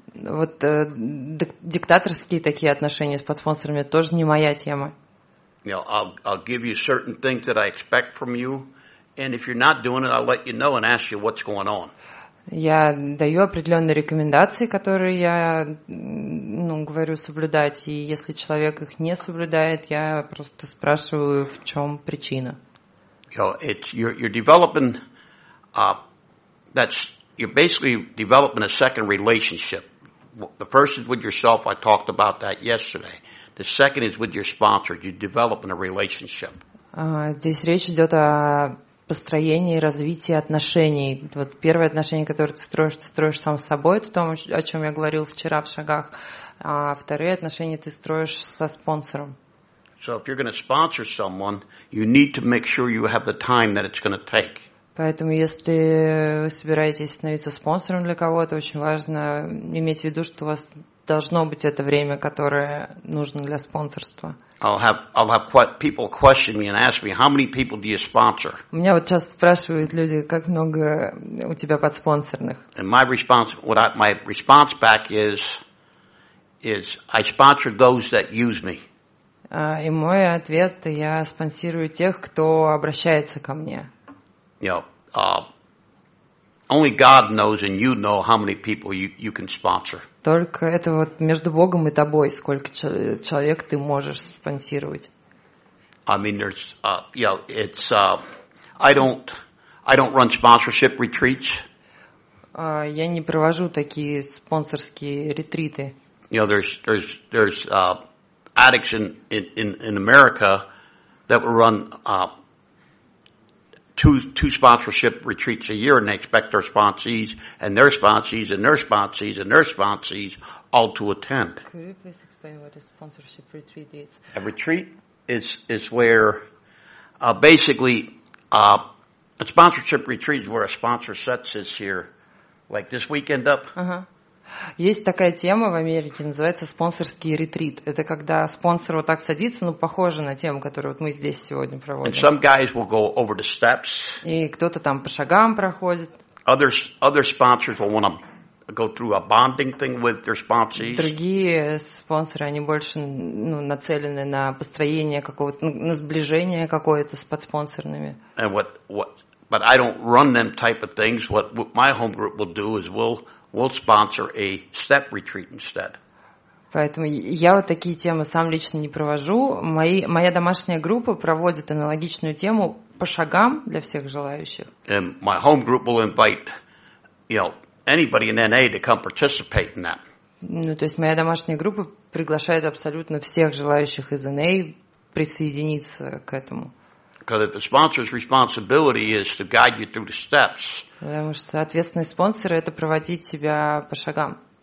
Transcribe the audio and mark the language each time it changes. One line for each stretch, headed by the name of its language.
Russian: Вот диктаторские такие отношения с подспонсорами тоже не моя тема.
English: I'll give you certain things that I expect from you, and if you're not doing it, I'll let you know and ask you what's going on.
Russian: Я даю определенные рекомендации, которые я, ну, говорю соблюдать, и если человек их не соблюдает, я просто спрашиваю, в чем причина.
English: You're developing you're basically developing a second relationship. The first is with yourself. I talked about that yesterday. The second is with your sponsor. You're developing a relationship.
Russian: Здесь речь идет о построении и развитии отношений. Вот первое отношение, которое ты строишь сам с собой, это то, о чем я говорил вчера в шагах. А вторые отношения ты строишь со спонсором.
English: So if you're going to sponsor someone, you need to make sure you have the time that it's going to take.
Russian: Поэтому, если вы собираетесь становиться спонсором для кого-то, очень важно иметь в виду, что у вас должно быть это время, которое нужно для спонсорства.
English: I'll have people question me and ask me, how many people do you sponsor?
Russian: У меня вот часто спрашивают люди, как много у тебя подспонсорных.
English: And my response back is I sponsor those that use me.
Russian: И мой ответ, я спонсирую тех, кто обращается ко мне.
English: You know, only God knows, and you know how many people you can sponsor.
Russian: Только это вот между Богом и тобой, сколько человек ты можешь спонсировать.
English: I mean, there's, you know, it's, I don't run sponsorship retreats.
Russian: Я не провожу такие спонсорские ретриты.
English: You know, there's addicts in America that will run. Two sponsorship retreats a year, and they expect their sponsees and their sponsees and their sponsees and their sponsees all to attend. Could you please explain what a sponsorship retreat is? A retreat is where basically a sponsorship retreat is where a sponsor sets his here, like this weekend up.
Russian: Есть такая тема в Америке, называется спонсорский ретрит. Это когда спонсор вот так садится, ну, похоже на тему, которую вот мы здесь сегодня проводим.
English: And some guys will go over the steps.
Russian: И кто-то там по шагам проходит.
English: Other sponsors will want to go through a bonding thing with their sponsees.
Russian: Другие спонсоры, они больше, ну, нацелены на построение какого-то, на сближение какое-то с подспонсорными.
English: And but I don't run them type of things. What my home group will do is we'll sponsor a step retreat instead.
Russian: Поэтому я вот такие темы сам лично не провожу. Моя домашняя группа проводит аналогичную тему по шагам для всех желающих.
English: And my home group will invite, you know, anybody in NA to come participate in that.
Russian: Ну, то есть моя домашняя группа приглашает абсолютно всех желающих из NA присоединиться к этому.
English: Because if the sponsor's responsibility is to guide you through the steps.
Russian: Потому что ответственность спонсора это проводить тебя по шагам.